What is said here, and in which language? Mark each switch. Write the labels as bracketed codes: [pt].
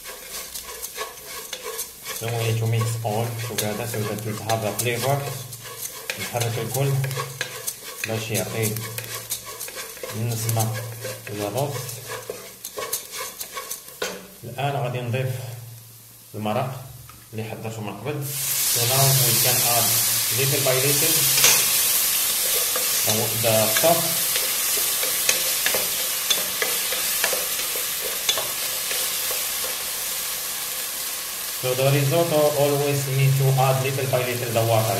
[en] So we need to mix all together so that we have the flavor. [ar] نحرك الكل باش يعطي النسمة للرز. الآن غادي نضيف المرق اللي حضرته من قبل. [en] So now we can add little by little the stuff. So the risotto always need to add little by little the water.